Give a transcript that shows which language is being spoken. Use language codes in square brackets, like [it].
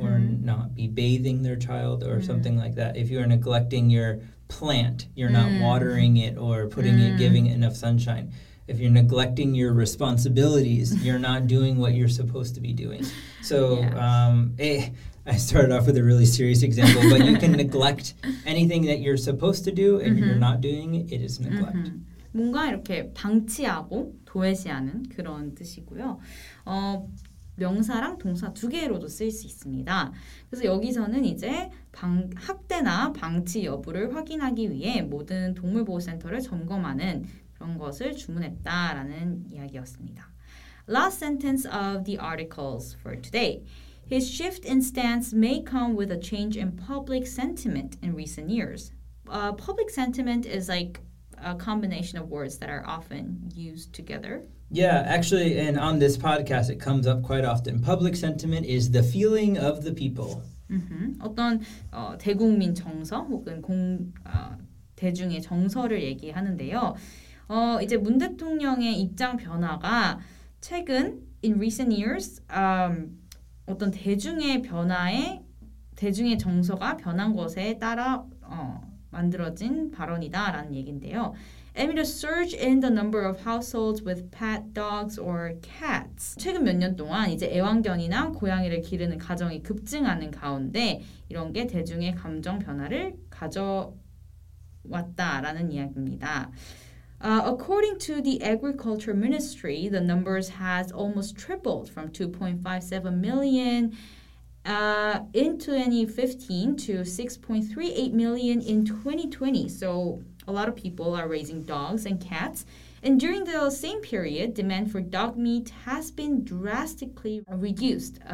[en] or not be bathing their child or mm-hmm. something like that. If you are neglecting your plant, you're mm-hmm. not watering it or putting mm-hmm. it, giving it enough sunshine. If you're neglecting your responsibilities, you're not doing what you're supposed to be doing. So yeah. I started off with a really serious example, but you can neglect anything that you're supposed to do. If mm-hmm. you're not doing it, it is neglect. Mm-hmm. [ko] 뭔가 이렇게 방치하고 도외시하는 그런 뜻이고요. 명사랑 동사 두 개로도 쓰일 수 있습니다. 그래서 여기서는 이제 학대나 방치 여부를 확인하기 위해 모든 동물보호센터를 점검하는 그런 것을 주문했다라는 이야기였습니다. [en] Last sentence of the articles for today. His shift in stance may come with a change in public sentiment in recent years. Public sentiment is like a combination of words that are often used together. Yeah, actually, and on this podcast, it comes up quite often. Public sentiment is the feeling of the people. Mm-hmm. [ko] 어떤 대국민 정서 혹은 대중의 정서를 얘기하는데요. 이제 문 대통령의 입장 변화가 최근 [en] in recent years [ko] 어떤 대중의 변화에 대중의 정서가 변한 것에 따라 만들어진 발언이다라는 얘긴데요. [en] Amid a surge in the number of households with pet dogs or cats. [ko] 최근 몇 년 동안 이제 애완견이나 고양이를 기르는 가정이 급증하는 가운데 이런 게 대중의 감정 변화를 가져왔다라는 이야기입니다. [en] According to the Agriculture Ministry, the numbers has almost tripled from 2.57 million in 2015 to 6.38 million in 2020. So a lot of people are raising dogs and cats. And during the same period, demand for dog meat has been drastically reduced.